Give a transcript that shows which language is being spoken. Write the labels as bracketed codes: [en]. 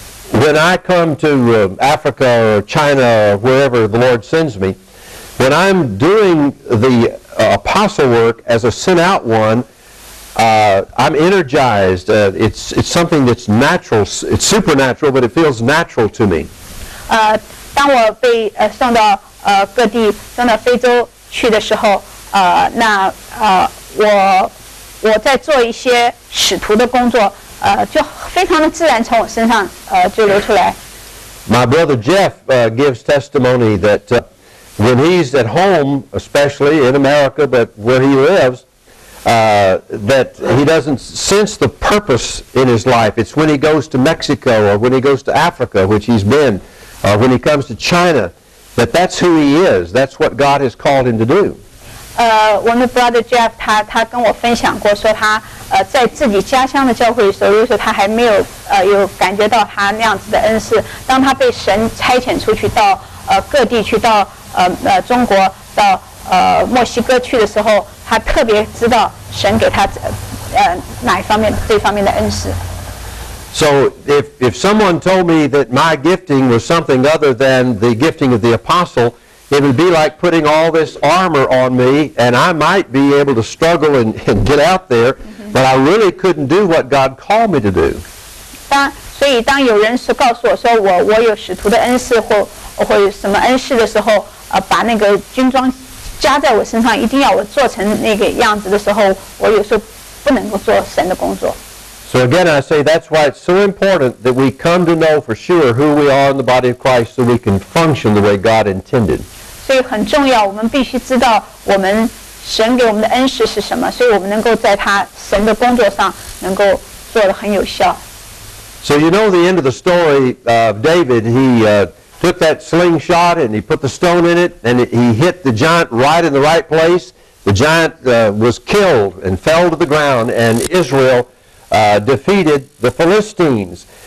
[en] When I come to Africa or China or wherever the Lord sends me, when I'm doing the apostle work as a sent out one, I'm energized. It's something that's natural. It's supernatural, but it feels natural to me. [zh] 当我被送到各地，送到非洲去的时候，我在做一些使徒的工作，就非常的自然从我身上就流出来。 [en] My brother Jeff gives testimony that when he's at home, especially in America, but where he lives. That he doesn't sense the purpose in his life. It's when he goes to Mexico or when he goes to Africa, which he's been, when he comes to China, that's who he is. That's what God has called him to do. My brother Jeff, he shared with me that he was in his hometown of church, so if he had not felt that kind of grace, when he was sent out to other countries, to China, to Mexico, [zh] 去的时候，他特别知道神给他哪一方面这方面的恩赐。 [en] So if someone told me that my gifting was something other than the gifting of the apostle, it would be like putting all this armor on me, and I might be able to struggle and get out there, but I really couldn't do what God called me to do. [zh] 所以当有人是告诉我说我有使徒的恩赐或什么恩赐的时候，把那个军装加在我身上，一定要我做成那个样子的时候，我有时候不能够做神的工作。 [en] So again, I say that's why it's so important that we come to know for sure who we are in the body of Christ, so we can function the way God intended. [zh] 所以很重要，我们必须知道我们神给我们的恩赐是什么，所以我们能够在他神的工作上能够做得很有效。 [en] So you know the end of the story of David, he took that slingshot and he put the stone in it and he hit the giant right in the right place. The giant was killed and fell to the ground and Israel defeated the Philistines.